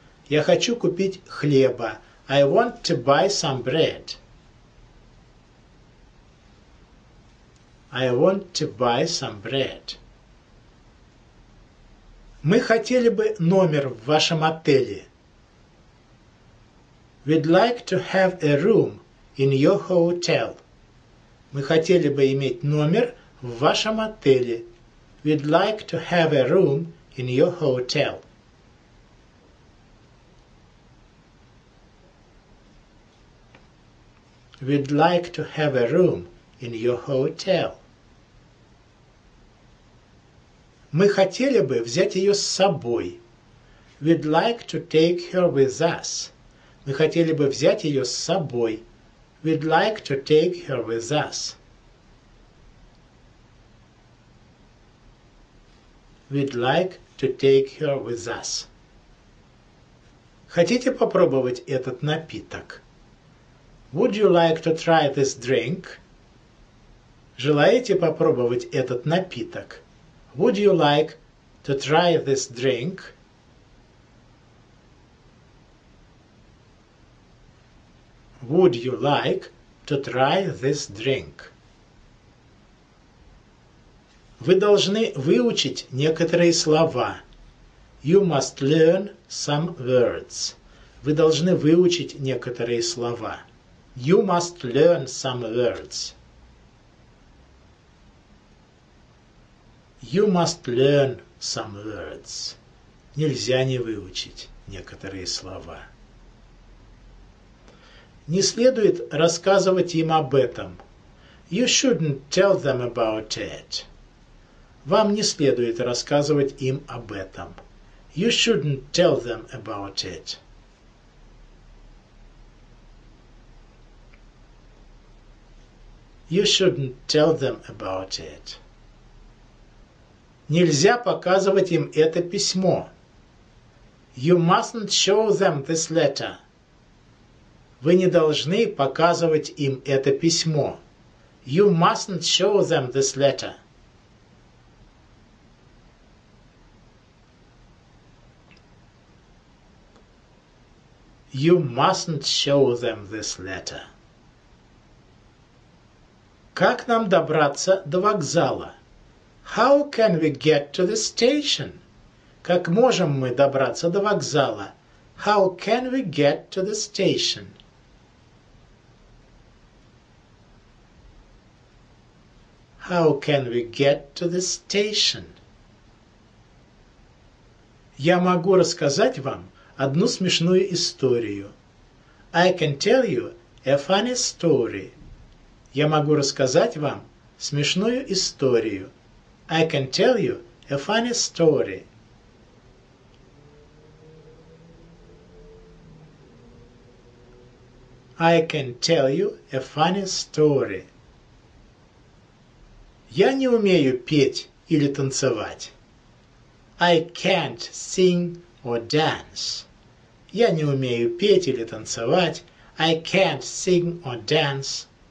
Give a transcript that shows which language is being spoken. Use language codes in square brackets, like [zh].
[ru] Я хочу купить хлеба. [en] I want to buy some bread. I want to buy some bread. [ru] Мы хотели бы номер в вашем отеле. [en] We'd like to have a room in your hotel. [ru] Мы хотели бы иметь номер в вашем отеле. [en] We'd like to have a room in your hotel. We'd like to have a room in your hotel. [ru] Мы хотели бы взять ее с собой. [en] We'd like to take her with us. [ru] Мы хотели бы взять ее с собой. [en] We'd like to take her with us. We'd like to take her with us. [ru] Хотите попробовать этот напиток? [en] Would you like to try this drink? [ru] Желаете попробовать этот напиток? [en] Would you like to try this drink? Would you like to try this drink? [ru] Вы должны выучить некоторые слова. [en] You must learn some words. [ru] Вы должны выучить некоторые слова. [en] You must learn some words. You must learn some words. [ru] Нельзя не выучить некоторые слова. Не следует рассказывать им об этом. [en] You shouldn't tell them about it. [ru] Вам не следует рассказывать им об этом. [en] You shouldn't tell them about it. You shouldn't tell them about it. [ru] Нельзя показывать им это письмо. [en] You mustn't show them this letter. [ru] Вы не должны показывать им это письмо. [en] You mustn't show them this letter. You mustn't show them this letter. [ru] Как нам добраться до вокзала? [en] How can we get to the station? [ru] Как можем мы добраться до вокзала? [en] How can we get to the station? How can we get to the station? [ru] Я могу рассказать вам одну смешную историю. [en] I can tell you a funny story. [ru] Я могу рассказать вам смешную историю. [en] I can tell you a funny story. I can tell you a funny story. [ru] Я не умею петь или танцевать. [en] I can't sing or dance. [ru] Я не умею петь или танцевать. [en] I can't sing or dance.